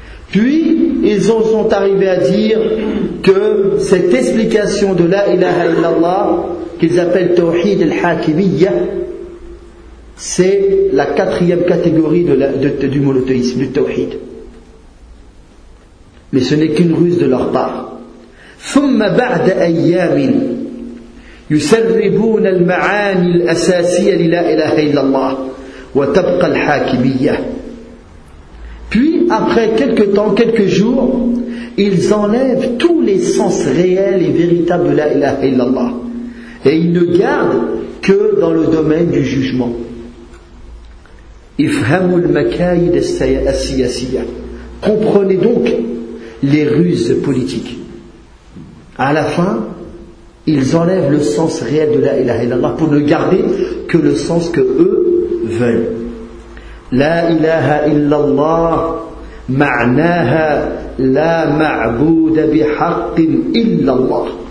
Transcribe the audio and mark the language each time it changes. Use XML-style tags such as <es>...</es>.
<fr>Puis, ils en sont arrivés à dire que cette explication de la ilaha illallah, qu'ils appellent Tawhid al-Hakimiyya, c'est la quatrième catégorie du monothéisme, du Tawhid. Mais ce n'est qu'une ruse de leur part.</fr> <ar>ثم بعد أيام يسربون المعاني الأساسية للا إله إلا الله وتبقى الحاكمية.</ar> <fr>Puis, après quelques temps, quelques jours, ils enlèvent tous les sens réels et véritables de la ilaha illallah. Et ils ne gardent que dans le domaine du jugement.</fr> <ar>افهموا المكايد السياسية.</ar> <fr>Comprenez donc les ruses politiques. À la fin, ils enlèvent le sens réel de la ilaha illallah pour ne garder que le sens que eux veulent.</fr> <ar>La ilaha illallah ma'naha la ma'bouda bihaqqin illallah.</ar>